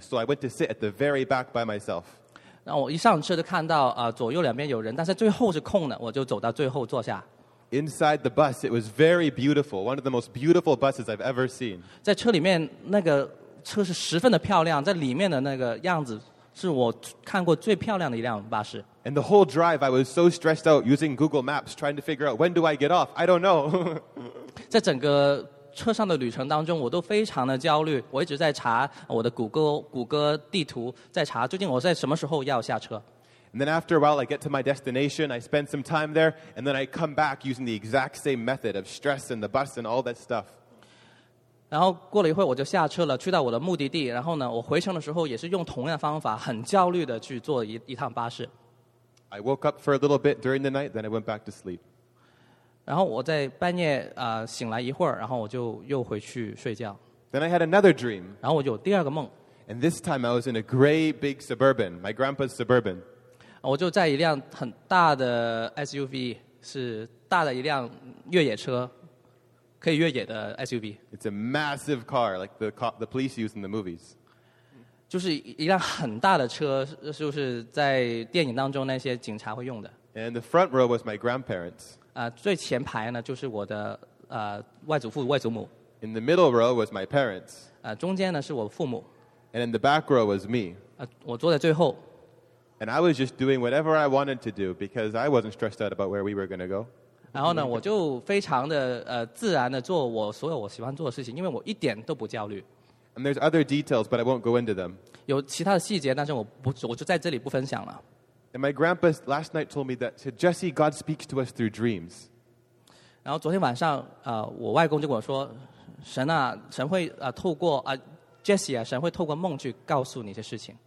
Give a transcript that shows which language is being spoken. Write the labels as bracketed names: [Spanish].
[English] So I went to sit at the very back by myself. [Chinese] 那我一上车就看到左右两边有人，但是最后是空的，我就走到最后坐下。 [English] Inside the bus, it was very beautiful, one of the most beautiful buses I've ever seen. [Chinese] 在车里面那个车是十分的漂亮，在里面的那个样子是我看过最漂亮的一辆巴士。 [English] And the whole drive, I was so stressed out using Google Maps trying to figure out when do I get off. I don't know. [Chinese] 在整个车上的旅程当中，我都非常的焦虑。我一直在查我的谷歌地图，在查究竟我在什么时候要下车。 [English] And then after a while, I get to my destination. I spend some time there, and then I come back using the exact same method of stress and the bus and all that stuff. [Chinese] 然后过了一会，我就下车了，去到我的目的地。然后呢，我回程的时候也是用同样方法，很焦虑的去坐一趟巴士。 [English] I woke up for a little bit during the night, then I went back to sleep. [Chinese] 然后我在半夜醒来一会儿，然后我就又回去睡觉。 [English] Then I had another dream. [Chinese] 然后我有第二个梦。 [English] And this time I was in a great big suburban, my grandpa's suburban. [Chinese] 我就在一辆很大的 SUV, 是大的一辆越野车，可以越野的 SUV. [English] It's a massive car, like the police use in the movies. [Chinese] 就是一辆很大的车，就是在电影当中那些警察会用的。 [English] And the front row was my grandparents. [Chinese] 最前排呢就是我的外祖父外祖母。 [English] In the middle row was my parents. [Chinese] 中间呢是我父母。 [English] And in the back row was me. [Chinese] 我坐在最后。 [English] And I was just doing whatever I wanted to do because I wasn't stressed out about where we were going to go. [Chinese] 然后呢，我就非常的自然的做我所有我喜欢做的事情，因为我一点都不焦虑。 [English] And there's other details, but I won't go into them. [Chinese] 有其他的细节，但是我就在这里不分享了。 [English] And my grandpa last night told me that said, Jesse, God speaks to us through dreams. [Chinese] 然后昨天晚上，我外公就跟我说，神啊，神会透过Jesse 啊，神会透过梦去告诉你一些事情。